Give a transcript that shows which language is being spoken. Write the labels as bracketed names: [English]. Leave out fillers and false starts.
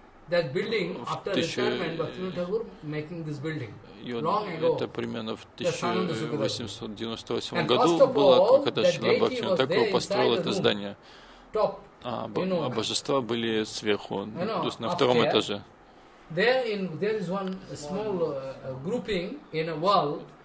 [English] That building after retirement, Bhaktivinoda Thakur making this building. [Russian] Это примерно в 1898 году было, когда Шрила Бхактивинода Такур построил это здание. А божества были сверху, то есть на втором этаже. [English] There is one small grouping in a wall.